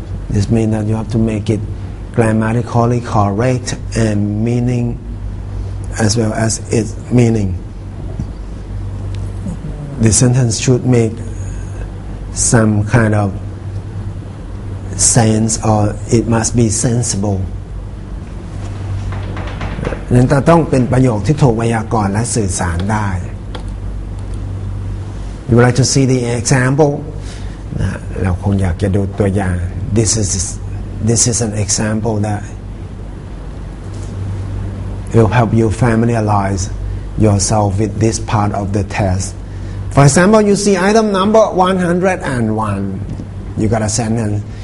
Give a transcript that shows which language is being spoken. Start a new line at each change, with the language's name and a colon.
English: This means that you have to make it grammatically correct and meaning as well as its meaning. The sentence should make some kind of sense, or it must be sensible.
Thai: นั้นต้องเป็นประโยคที่ถูกไวยากรณ์และสื่อสารได้
English: You would like to see the example?
Thai: นะเราคงอยากจะดูตัวอย่าง
English: This is an example that will help you familiarize yourself with this part of the test. For example, you see item number 101. You got a sentence.